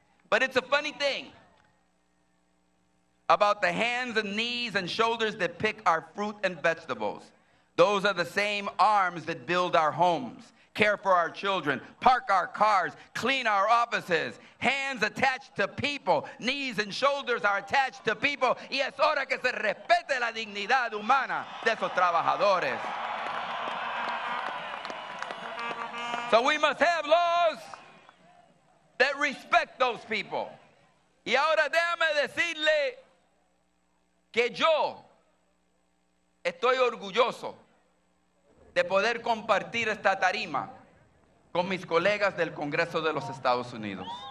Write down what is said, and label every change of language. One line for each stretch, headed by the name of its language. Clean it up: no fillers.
English: But it's a funny thing about the hands and knees and shoulders that pick our fruit and vegetables. Those are the same arms that build our homes, care for our children, park our cars, clean our offices. Hands attached to people, knees and shoulders are attached to people.
Spanish: Y es hora que se respete la dignidad humana de esos trabajadores.
English: So we must have laws that respect those people.
Spanish: Y ahora déjame decirle que yo estoy orgulloso de poder compartir esta tarima con mis colegas del Congreso de los Estados Unidos.